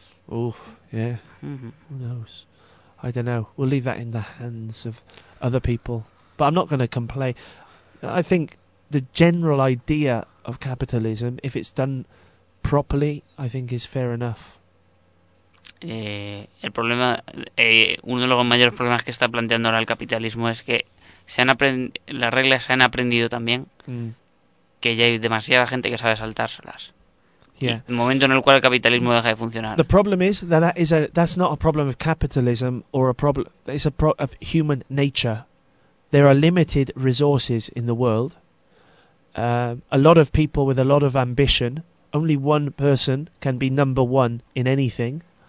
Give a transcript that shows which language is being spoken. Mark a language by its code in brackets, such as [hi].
[en] Oof, yeah. Mm-hmm. Who knows? I don't know. We'll leave that in the hands of other people. But I'm not going to complain. I think the general idea of capitalism, if it's done properly, I think is fair enough. [es] El problema, uno de los mayores problemas que está planteando ahora el capitalismo es que se han las reglas se han aprendido también que ya hay demasiada gente que sabe saltárselas. [en] Yeah. [es] El momento en el cual el capitalismo deja de funcionar. [en] The problem is that that's not a problem of capitalism or a problem. It's a problem of human nature. There are limited resources in the world. A lot of people with a lot of ambition. Only one person can be number one in anything.